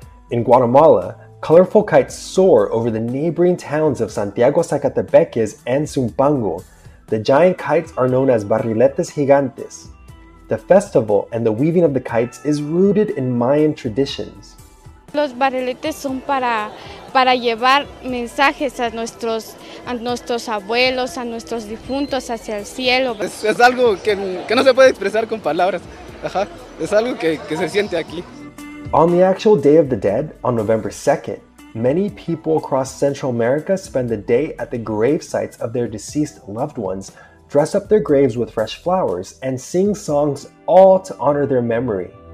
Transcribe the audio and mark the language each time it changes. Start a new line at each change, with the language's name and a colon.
English: In Guatemala, colorful kites soar over the neighboring towns of Santiago Zacatepeques and Zumpango. The giant kites are known as barriletes gigantes. The festival and the weaving of the kites is rooted in Mayan traditions.
Spanish: Los barriletes son para llevar mensajes a nuestros abuelos, a nuestros difuntos hacia el cielo. Es algo que no se puede expresar con palabras. Ajá. Es algo que se siente aquí.
English: On the actual Day of the Dead, on November 2nd, many people across Central America spend the day at the grave sites of their deceased loved ones, dress up their graves with fresh flowers, and sing songs all to honor their memory.